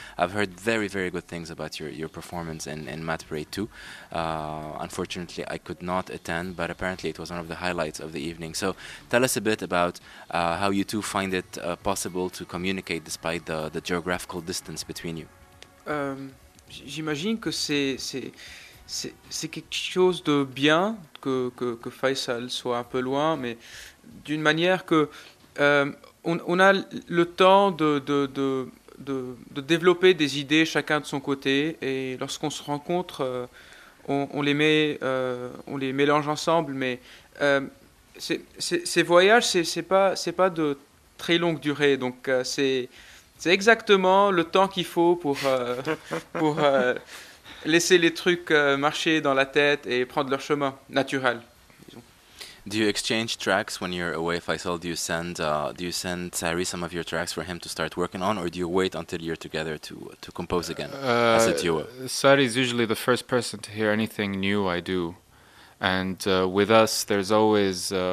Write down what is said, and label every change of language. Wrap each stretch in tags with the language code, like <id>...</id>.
<en>I've heard very, very good things about your performance in Mad Parade 2. Unfortunately, I could not attend, but apparently it was one of the highlights of the evening. So tell us a bit about how you two find it possible to communicate despite the geographical distance between you.</en> <fr>J'imagine que c'est quelque chose de bien que Faisal soit un peu loin, mais d'une manière que on a le temps de développer des idées chacun de son côté, et lorsqu'on se rencontre, on les mélange ensemble. Mais ces voyages, c'est pas de très longue durée, donc c'est exactement le temps qu'il faut pour laisser les trucs marcher dans la tête et prendre leur chemin naturel.</fr> <en>Do you exchange tracks when you're away, Faisal? Do you send Sari some of your tracks for him to start working on, or do you wait until you're together to compose again as a duo? Sari is usually the first person to hear anything new I do, and with us there's always.</en>